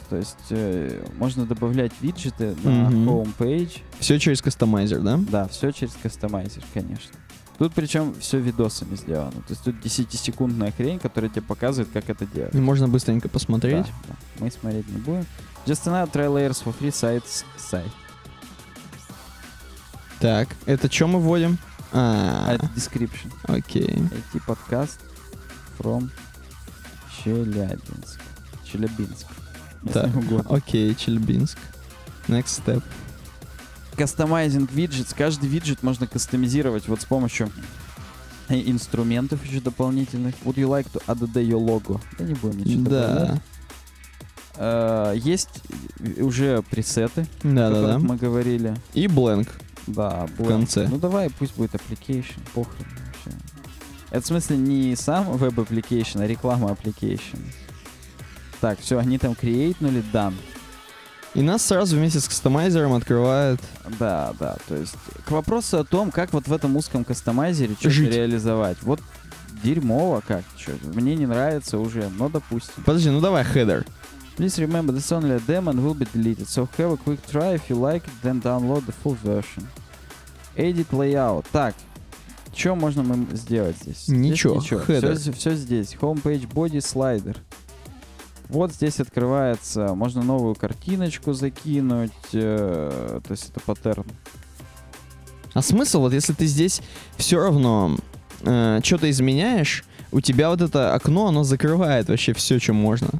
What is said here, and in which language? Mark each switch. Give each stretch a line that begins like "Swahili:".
Russian: То есть можно добавлять виджеты на homepage. Все через кастомайзер, да? Да, все через кастомайзер, конечно. Тут причем все видосами сделано. То есть тут 10-секундная хрень, которая тебе показывает, как это делать. И можно быстренько посмотреть. Да, да. Мы смотреть не будем.
English: Just another try layers for free sites site.
Russian: Так, это что мы вводим? Это description. Окей.
English: Okay. IT подкаст from Челябинск.
Russian: Челябинск. Так, окей, Челябинск.
English: Next step.
Russian: Кастомайзинг виджет. Каждый виджет можно кастомизировать вот с помощью инструментов еще дополнительных.
English: Would you like to add your logo?
Russian: Да не будем ничего да. добавлять. Есть уже пресеты, да, о которых мы говорили. И blank. Да, blank. В конце. Ну давай, пусть будет application. Похрен вообще. Это в смысле не сам веб-application, а реклама application. Так, все, они там create-нули, done. И нас сразу вместе с кастомайзером открывают. Да, да. То есть к вопросу о том, как вот в этом узком кастомайзере что-то реализовать. Вот дерьмово как. Что-то. Мне не нравится уже, но допустим. Подожди, ну давай хедер.
English: Please remember, this only a demo and will be deleted. So have a quick try. If you like it, then download the full version. Edit layout.
Russian: Так, что можно мы сделать здесь? Ничего, здесь ничего. Все здесь.
English: Homepage body slider.
Russian: Вот здесь открывается, можно новую картиночку закинуть, то есть это паттерн. А смысл, вот если ты здесь все равно что-то изменяешь, у тебя вот это окно, оно закрывает вообще все, что можно.